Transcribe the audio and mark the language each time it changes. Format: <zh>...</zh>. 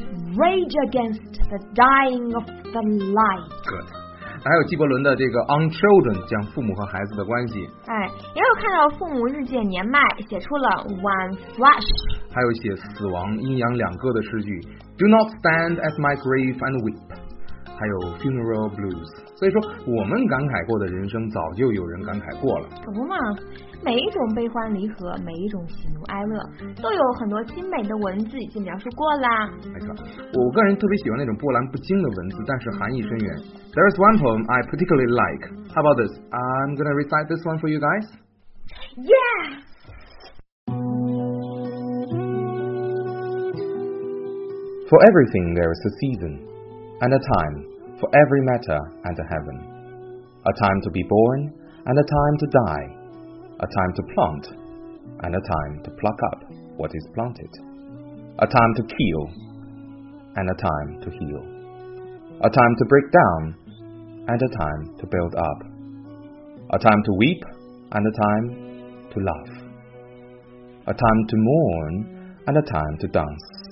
<en>Rage against the dying of the light. Good.</en> <zh>还有纪伯伦的这个 On Children， 讲父母和孩子的关系。哎，也有看到父母日渐年迈，写出了 One Flash。还有写死亡阴阳两个的诗句 ，</zh> <en>Do not stand at my grave and weep。</en> <zh>还有 Funeral Blues。所以说，我们感慨过的人生，早就有人感慨过了。可不嘛，每一种悲欢离合，每一种喜怒哀乐，都有很多精美的文字已经描述过啦。没错，我个人特别喜欢那种波澜不惊的文字，但是含义深远。</zh> <en>There is one poem I particularly like. How about this? I'm gonna recite this one for you guys. Yeah. For everything there is a season, and a time. For every matter and a heaven, a time to be born and a time to die, a time to plant and a time to pluck up what is planted, a time to kill and a time to heal, a time to break down and a time to build up, a time to weep and a time to laugh, a time to mourn and a time to dance.</en>